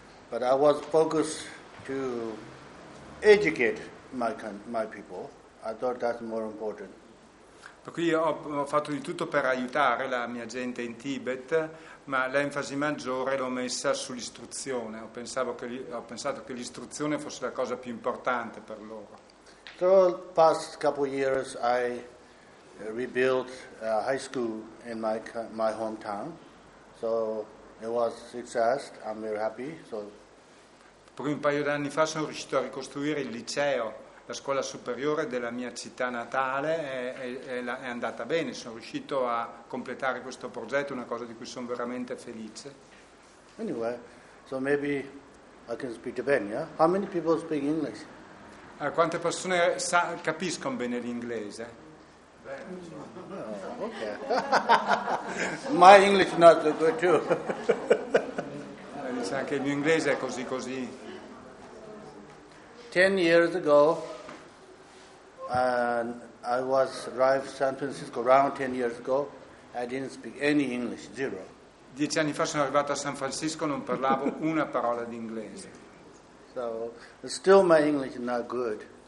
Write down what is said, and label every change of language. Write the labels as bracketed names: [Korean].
[English] But I was focused to educate my people. I thought that's more important. [Italian] Per cui ho fatto di tutto per aiutare la mia gente in Tibet, ma l'enfasi maggiore l'ho messa sull'istruzione. Ho pensato che l'istruzione fosse la cosa più importante per loro. [English] So past couple of years I rebuilt a high school in my hometown. So it was success. I'm very happy. So [Italian] poi un paio d'anni fa sono riuscito a ricostruire il liceo, la scuola superiore della mia città natale, è andata bene, sono riuscito a completare questo progetto, una cosa di cui sono veramente felice. [English] Anyway, so maybe I can speak Tibetan, yeah? How many people speak English? [Italian] Quante persone capiscono bene l'inglese? [English] Oh, okay. My English is not so good too. [Italian] Dice anche il mio inglese è così così. [English] 10 years ago, I arrived San Francisco around 10 years ago. I didn't speak any English, zero. [Italian] 10 anni fa sono arrivato a San Francisco, non parlavo una parola di inglese. [English] So, still my English is not good.